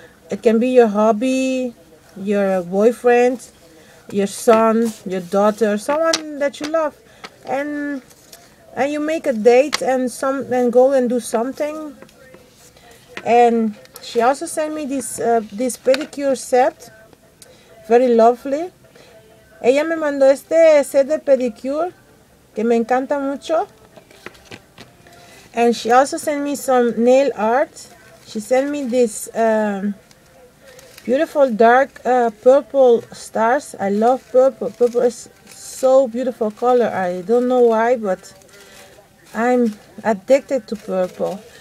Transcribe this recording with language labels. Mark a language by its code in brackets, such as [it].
[en] It can be your hubby, your boyfriend, your son, your daughter, someone that you love, and you make a date and go and do something. And she also sent me this pedicure set, very lovely. [es] Ella me mandó este set de pedicure que me encanta mucho. [en] And she also sent me some nail art. She sent me this beautiful dark purple stars. I love purple. Purple is so beautiful color. I don't know why, but I'm addicted to purple.